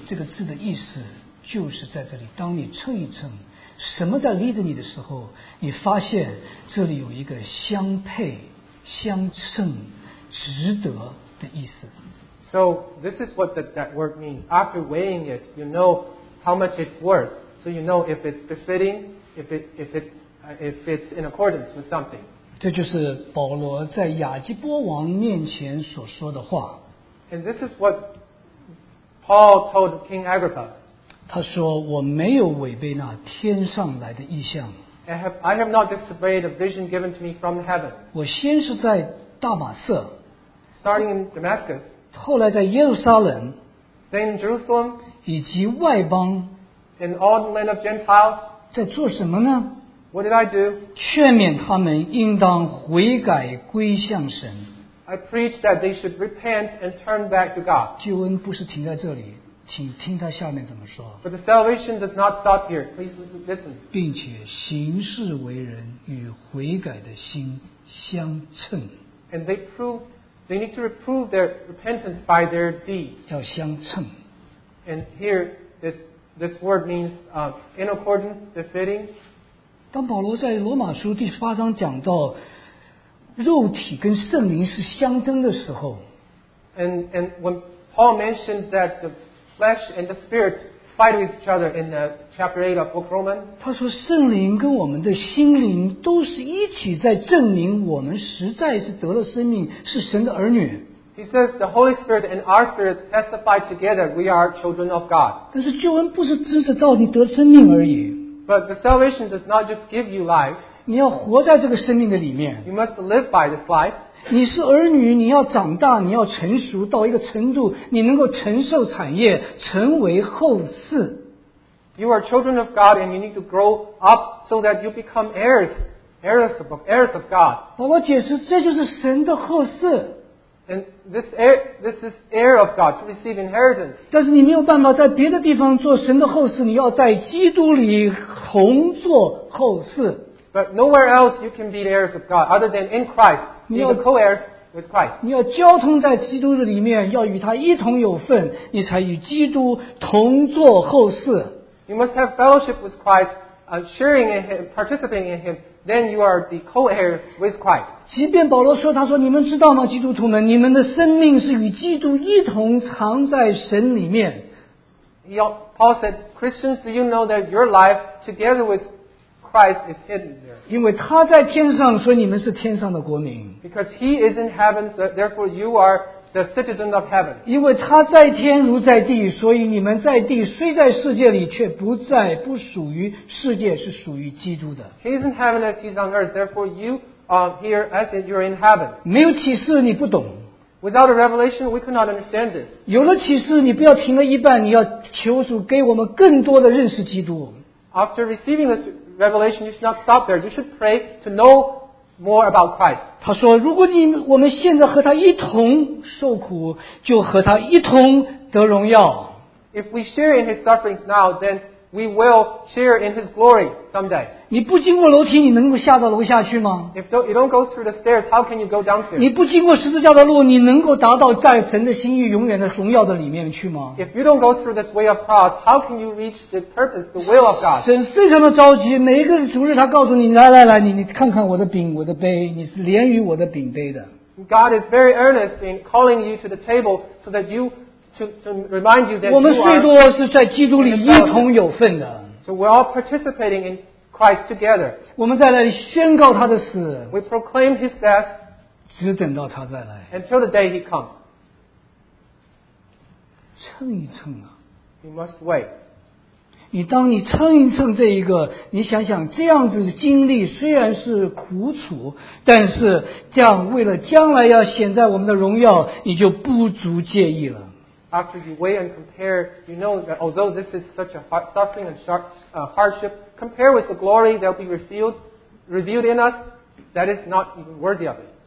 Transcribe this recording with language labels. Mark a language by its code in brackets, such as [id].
[zh] 介意这个字的意思就是在这里, 当你称一称, 什么在lead你的时候, 你发现这里有一个相配, 相称, 值得的意思。 [en] So this is what that word means. After weighing it, you know how much it's worth. So you know if it's befitting, if it's in accordance with something. [zh] 这就是保罗在亚基波王面前所说的话。 [en] And this is what Paul told King Agrippa. [zh] 他说, 我没有违背那天上来的意象。 [en] I have not disobeyed a vision given to me from heaven. [zh] 我先是在大马色, [en] starting in Damascus, [zh] 后来在耶路撒冷, [en] then in Jerusalem, [zh] 以及外邦, [en] in all the land of Gentiles, [zh] 在做什么呢? [en] What did I do? [zh] 劝勉他们应当悔改归向神。 [en] I preach that they should repent and turn back to God. [zh] 救恩不是停在这里,请听他下面怎么说。 [en] But the salvation does not stop here. Please listen. [zh] 并且行事为人与悔改的心相称。 [en] And they prove, they need to prove their repentance by their deeds. [zh] 要相称。 [en] And here, this word means in accordance, befitting. [zh] 当保罗在罗马书第八章讲到肉体跟圣灵是相争的时候。 [en] And when Paul mentioned that the flesh and the spirit fight with each other in chapter 8 of book Romans, [zh] 他说圣灵跟我们的心灵都是一起在证明我们实在是得了生命，是神的儿女。 [en] He says the Holy Spirit and our spirit testify together we are children of God. [zh] 但是救恩不是只是到你得生命而已。 [en] But the salvation does not just give you life. [zh] 你要活在这个生命的里面。 [en] You must live by this life. [zh] 你是儿女，你要长大，你要成熟到一个程度，你能够承受产业，成为后嗣。 [en] You are children of God and you need to grow up so that you become heirs, heirs of God. [zh] 保罗解释，这就是神的后嗣。 [en] And this is heir of God to receive inheritance. [zh] 但是你没有办法在别的地方做神的后嗣，你要在基督里同做后嗣。 [en] But nowhere else you can be the heirs of God other than in Christ, being the co-heirs with Christ. [zh] 你要交通在基督的里面，要与他一同有份，你才与基督同做后嗣。 [en] You must have fellowship with Christ, sharing in Him, participating in Him. Then you are the co-heirs with Christ. [zh] 即便保罗说，他说，你们知道吗，基督徒们，你们的生命是与基督一同藏在神里面。 [en] Paul said, Christians, do you know that your life together with Christ is hidden there? [zh] 因为他在天上，所以你们是天上的国民。 [en] Because he is in heaven, therefore you are the citizen of heaven. [zh] 因为他在天如在地，所以你们在地虽在世界里，却不在，不属于世界，是属于基督的。 [en] He is in heaven as he is on earth, therefore you are here as if you are in heaven. [zh] 没有启示你不懂。 [en] Without a revelation, we could not understand this. [zh] 有了启示，你不要停了一半，你要求主给我们更多的认识基督。 [en] After receiving this revelation, you should not stop there. You should pray to know more about Christ. [zh] 他说如果你我们现在和他一同受苦，就和他一同得荣耀。 [en] If we share in his sufferings now, then we will share in his glory someday. [zh] 你不经过楼梯，你能够下到楼下去吗？ [en] If you don't go through the stairs, how can you go down there? [zh] 你不经过十字架的路，你能够达到在神的心意永远的荣耀的里面去吗？ [en] If you don't go through this way of cross, how can you reach the purpose, the will of God? [zh] 神非常的着急，每一个主日他告诉你，来来来，你看看我的饼，我的杯，你是连于我的饼杯的。 [en] God is very earnest in calling you to the table so that you to remind you that [zh] 我们最多是在基督里一同有份的。 [en] So we're all participating in Christ together. [zh] 我们在那里宣告他的死。 [en] We proclaim his death. [zh] 只等到他再来。 [en] Until the day he comes. [zh] 称一称啊。 [en] You must wait. [zh] 你当你称一称这一个，你想想这样子经历虽然是苦楚，但是这样为了将来要显在我们的荣耀，你就不足介意了。 [en] After you weigh and compare, you know that although this is such a suffering and hardship, compare with the glory that will be revealed in us, that is not even worthy of it.